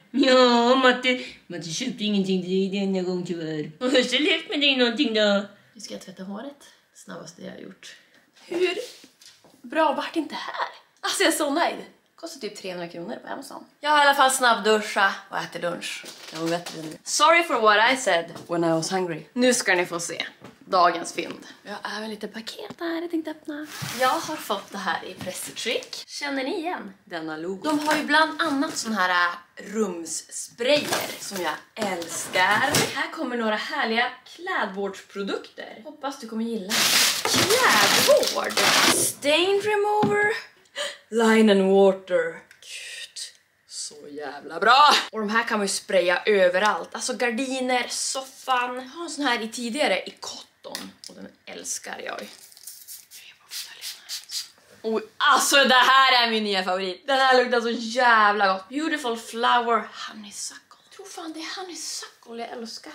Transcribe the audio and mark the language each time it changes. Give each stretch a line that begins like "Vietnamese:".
Swedish: Ja, Matti köpte ingenting till dig denna gång tyvärr. Och hur ser det med dig någonting då? Nu ska jag tvätta håret. Snabbast det jag har gjort. Hur bra vart inte här? Alltså jag är så nöjd. Kostar typ 300 kronor på Amazon. Jag har i alla fall snabb duscha och äter lunch. Jag var bättre än det.
English: Sorry for what I said when I was hungry.
Swedish: Nu ska ni få se dagens fynd. Jag har även lite paket här jag tänkte öppna. Jag har fått det här i Pressetrick. Känner ni igen denna logo? De har ju bland annat sån här rumssprayer som jag älskar. Här kommer några härliga klädvårdsprodukter. Hoppas du kommer gilla. Klädvård!
English: Stain remover, line and water.
Swedish: Gud, så jävla bra! Och de här kan man ju spraya överallt. Alltså gardiner, soffan. Jag har en sån här i tidigare i cotton. Och den älskar jag. Oj, alltså det här är min nya favorit. Den här luktar så jävla gott.
English: Beautiful flower honeysuckle.
Swedish: Jag tror fan det är honeysuckle jag älskar.